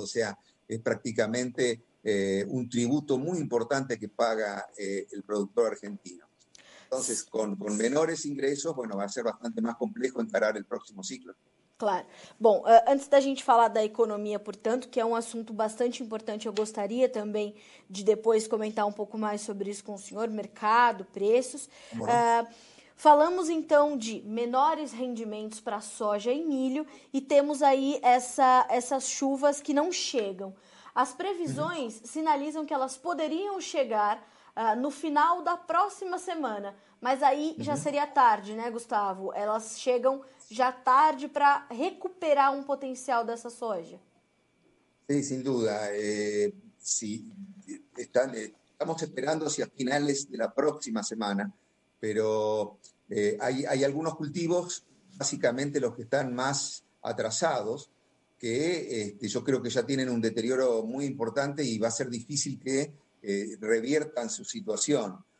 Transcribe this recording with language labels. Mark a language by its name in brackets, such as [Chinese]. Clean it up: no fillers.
[Spanish] O sea, es prácticamente un tributo muy importante que paga el productor argentino. Entonces, con menores ingresos, bueno, va a ser bastante más complejo encarar el próximo ciclo. Claro. [Portuguese] Bom, antes da gente falar da economia, portanto, que é um assunto bastante importante, eu gostaria também de depois comentar um pouco mais sobre isso com o senhor, mercado, preços. Bom. Falamos então de menores rendimentos para soja e milho e temos aí essas chuvas que não chegam. As previsões sinalizam que elas poderiam chegar no final da próxima semana, mas aí já seria tarde, né, Gustavo? Elas chegam já tarde para recuperar um potencial dessa soja. [Spanish] Sí, sin duda. Sí, estamos esperando hacia finales de la próxima semana. pero hay algunos cultivos, básicamente los que están más atrasados, que yo creo que ya tienen un deterioro muy importante y va a ser difícil que reviertan su situación.